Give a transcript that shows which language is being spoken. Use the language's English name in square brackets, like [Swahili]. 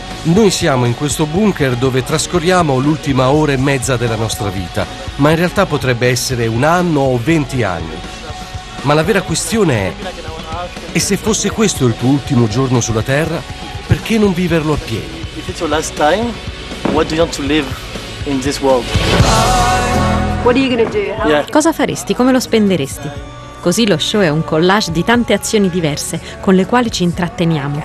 [Italian] Noi siamo in questo bunker dove trascorriamo l'ultima ora e mezza della nostra vita, ma in realtà potrebbe essere un anno o 20 anni. Ma la vera questione è, e se fosse questo il tuo ultimo giorno sulla Terra, perché non viverlo a pieno? [English] If it's your last time, what do you want to live in this world? What are you gonna do? [Italian] Cosa faresti? Come lo spenderesti? Così lo show è un collage di tante azioni diverse con le quali ci intratteniamo.